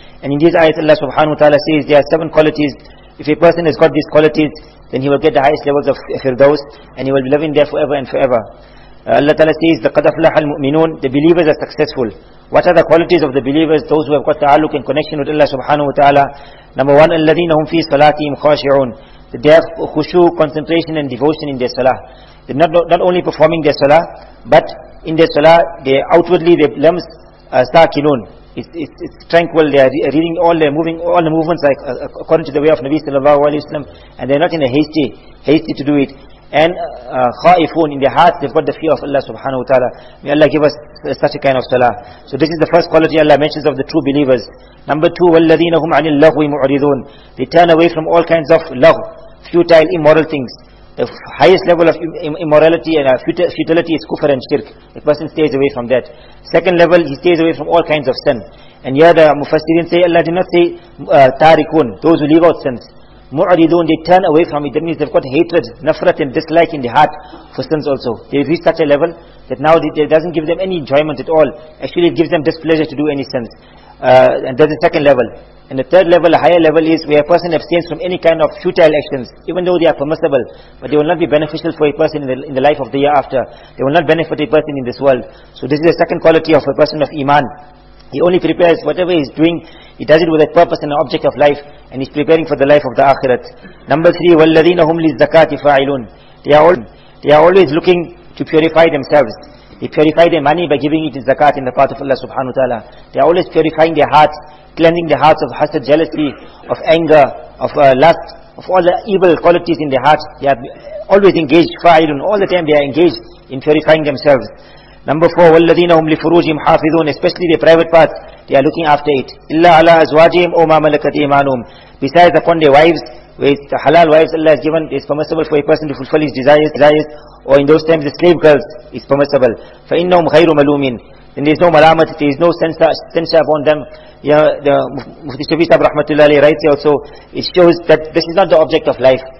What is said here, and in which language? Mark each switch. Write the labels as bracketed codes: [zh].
[en] And in these ayat Allah subhanahu wa ta'ala says there are seven qualities. If a person has got these qualities, then he will get the highest levels of Firdaus and he will be living there forever and forever. Allah ta'ala says, the [ar] qad aflaha al-mu'minun, [en] the believers are successful. What are the qualities of the believers, those who have got ta'aluk and connection with Allah subhanahu wa ta'ala? [ar] Number one, الَّذِينَ هُمْ فِي صَلَاتِهِمْ خَاشِعُونَ. [en] They have khushu, concentration and devotion in their salah. They're not only performing their salah, but in their salah, they outwardly, their limbs are sakinun. It's tranquil, they are reading all the movements like according to the way of Nabi sallallahu alayhi wa sallam, and they're not in a hasty to do it. And khaifun, in their hearts, they've got the fear of Allah subhanahu wa ta'ala. May Allah give us such a kind of salah. So this is the first quality Allah mentions of the true believers. [ar] Number two, وَالَّذِينَ هُمْ عَنِ اللَّغْوِ مُعْرِضُونَ. [en] They turn away from all kinds of lagh, futile, immoral things. The highest level of immorality and futility is kufr and shirk. The person stays away from that. Second level, he stays away from all kinds of sin. And here the mufassirin say, Allah did not say tarikun, those who leave out sins. Mu'aridun, they turn away from it. That means they've got hatred, nafrat and dislike in the heart for sins also. They reach such a level that now it doesn't give them any enjoyment at all. Actually, it gives them displeasure to do any sins. And that's the second level. And the third level, a higher level, is where a person abstains from any kind of futile actions, even though they are permissible, but they will not be beneficial for a person in the life of the year after. They will not benefit a person in this world. So this is the second quality of a person of iman. He only prepares whatever he's doing, he does it with a purpose and an object of life, and he's preparing for the life of the akhirat. [ar] Number three, وَالَّذِينَ هُمْ لِلزَّكَاةِ فَاعِلُونَ. [en] They are always looking to purify themselves. They purify their money by giving it in zakat in the path of Allah subhanahu wa ta'ala. They are always purifying their hearts, cleansing their hearts of hasad, jealousy, of anger, of lust, of all the evil qualities in their hearts. They are always engaged, fa'ilun, all the time they are engaged in purifying themselves. [ar] Number four, وَالَّذِينَ هُمْ لِفُرُوجِهِمْ حَافِظُونَ. [en] Especially their private path, they are looking after it. [ar] إِلَّا عَلَىٰ أَزْوَاجِهِمْ أَوْ مَا مَلَكَتْ أَيْمَانُهُمْ. [en] Besides upon their wives, with the halal wives Allah has given, it is permissible for a person to fulfill his desires, or in those times the slave girls is permissible. [ar] فَإِنَّهُمْ غَيْرُ مَلُومِينَ. [en] Then there is no malamat, there is no censure upon them. You know, the Mufti Shafi Sahib Rahmatullah Ali writes also, it shows that this is not the object of life.